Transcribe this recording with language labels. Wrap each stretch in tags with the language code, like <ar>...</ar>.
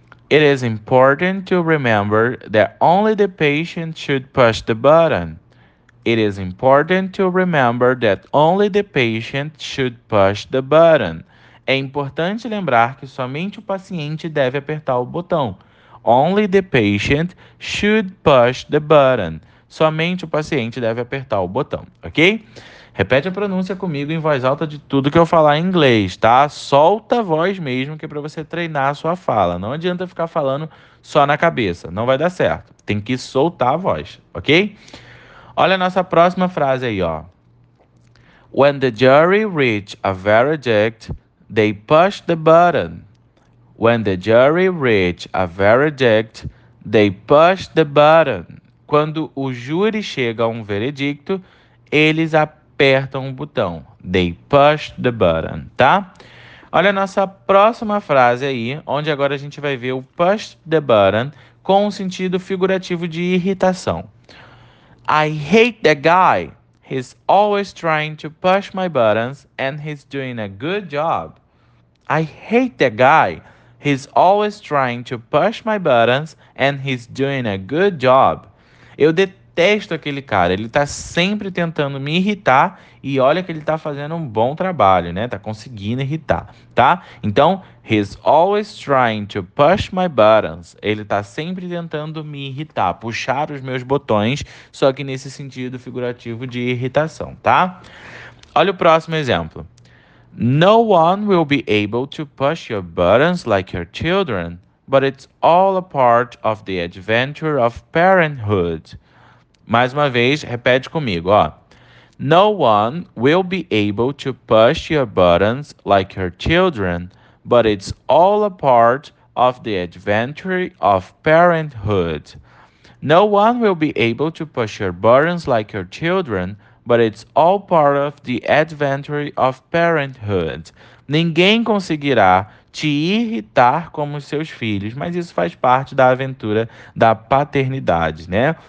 <en>It is important to remember that only the patient should push the button. It is important to remember that only the patient should push the button.</en> <pt>É importante lembrar que somente o paciente deve apertar o botão.</pt> <en>Only the patient should push the button.</en> <pt>Somente o paciente deve apertar o botão, ok? Repete a pronúncia comigo em voz alta de tudo que eu falar em inglês, tá? Solta a voz mesmo que é para você treinar a sua fala. Não adianta ficar falando só na cabeça, não vai dar certo. Tem que soltar a voz, ok? Olha a nossa próxima frase aí, ó.</pt> <en>When the jury reached a verdict, they pushed the button. When the jury reached a verdict, they pushed the button.</en> <pt>Quando o júri chega a um veredicto, eles apertam o botão.</pt> <en>They push the button,</en> <pt>tá? Olha a nossa próxima frase aí, onde agora a gente vai ver o push the button com um sentido figurativo de irritação.</pt> <en>I hate that guy. He's always trying to push my buttons and he's doing a good job. I hate that guy. He's always trying to push my buttons and he's doing a good job.</en> <pt>Eu detesto aquele cara. Ele tá sempre tentando me irritar e olha que ele tá fazendo um bom trabalho, né? Tá conseguindo irritar, tá? Então,</pt> <en>he's always trying to push my buttons.</en> <pt>Ele tá sempre tentando me irritar, puxar os meus botões, só que nesse sentido figurativo de irritação, tá? Olha o próximo exemplo.</pt> <en>No one will be able to push your buttons like your children, but it's all a part of the adventure of parenthood.</en> <pt>Mais uma vez, repete comigo, ó.</pt> <en>No one will be able to push your buttons like your children, but it's all a part of the adventure of parenthood. No one will be able to push your buttons like your children, but it's all part of the adventure of parenthood.</en> <pt>Ninguém conseguirá te irritar como seus filhos, mas isso faz parte da aventura da paternidade, né?</pt>